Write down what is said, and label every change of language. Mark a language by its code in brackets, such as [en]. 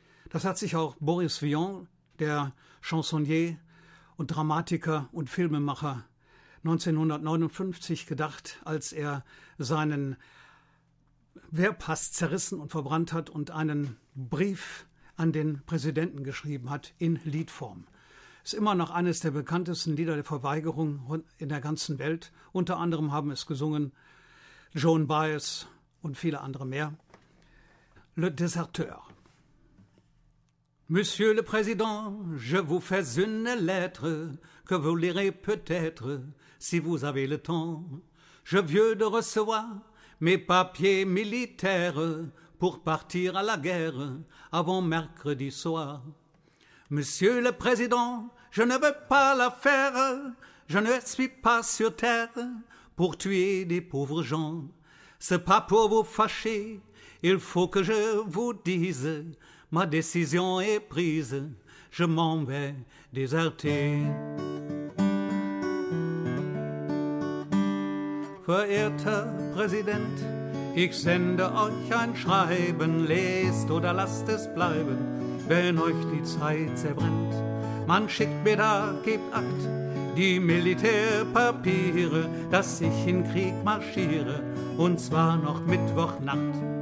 [de] Das hat sich auch Boris Vian, der Chansonnier und Dramatiker und Filmemacher, 1959 gedacht, als er seinen Wehrpass zerrissen und verbrannt hat und einen Brief an den Präsidenten geschrieben hat in Liedform. Ist immer noch eines der bekanntesten Lieder der Verweigerung in der ganzen Welt. Unter anderem haben es gesungen Joan Baez und viele andere mehr. [fr] Le Déserteur. Monsieur le Président, je vous fais une lettre que vous lirez peut-être si vous avez le temps. Je viens de recevoir mes papiers militaires pour partir à la guerre avant mercredi soir. Monsieur le Président, je ne veux pas la faire, je ne suis pas sur terre pour tuer des pauvres gens. C'est pas pour vous fâcher, il faut que je vous dise, ma décision est prise, je m'en vais déserter. [de] Verehrter Präsident, ich sende euch ein Schreiben, lest oder lasst es bleiben, wenn euch die Zeit zerbrennt. Man schickt mir da, gebt Akt, die Militärpapiere, dass ich in Krieg marschiere, und zwar noch Mittwochnacht.